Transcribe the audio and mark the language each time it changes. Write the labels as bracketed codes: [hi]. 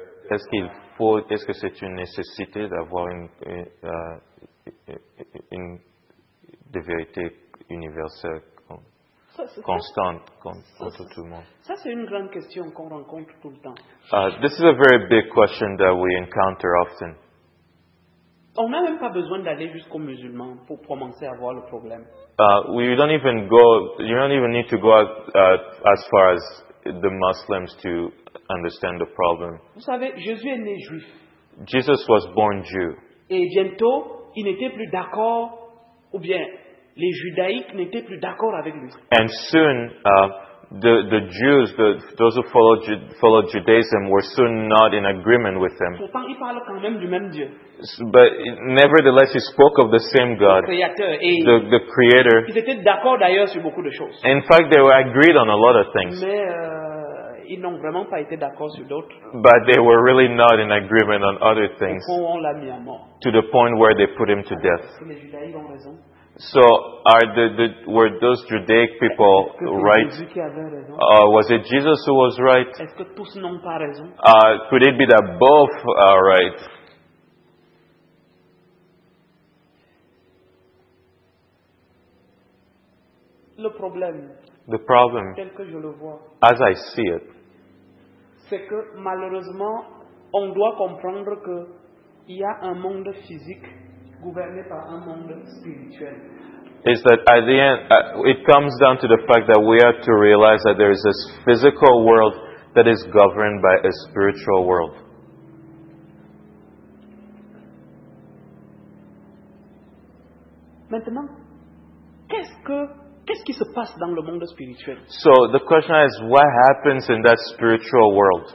[fr] Est-ce que c'est une nécessité d'avoir une vérité universelle constante contre tout le monde? Ça, c'est une grande question qu'on rencontre tout le temps. [en] This is a very big question that we encounter often. [fr] On n'a même pas besoin d'aller jusqu'aux musulmans pour commencer à voir le problème. [en] You don't even need to go as far as the Muslims to understand the problem. [fr] Vous savez, Jésus est né juif. [en] Jesus was born Jew. [fr] Et bientôt, il n'était plus d'accord, ou bien les judaïques n'étaient plus d'accord avec lui. [en] And soon, the Jews, those who followed Judaism, were soon not in agreement with him. [fr] Pourtant, il parle quand même du même Dieu. [en] But nevertheless, he spoke of the same God, [fr] le créateur, et [en] the Creator. [fr] Ils étaient d'accord d'ailleurs sur beaucoup de choses. [en] In fact, they were agreed on a lot of things. [fr] Mais ils n'ont vraiment pas été d'accord sur d'autres. [en] But they were really not in agreement on other things. [fr] Au point où on l'a mis à mort. [en] To the point where they put him to death. [fr] Les Judaïques ont raison. [en] So, were those Judaic people right? Was it Jesus who was right? [fr] Est-ce que tous n'ont pas raison? [en] Could it be that both are right? [fr] Le problème, [en] the problem, [fr] tel que je le vois, [en] as I see it, [fr] c'est que malheureusement, on doit comprendre que il y a un monde physique gouverné par un monde spirituel. [en] Is that at the end, it comes down to the fact that we have to realize that there is this physical world that is governed by a spiritual world. [fr] Maintenant, qu'est-ce qui se passe dans le monde spirituel? [en] So the question is, what happens in that spiritual world?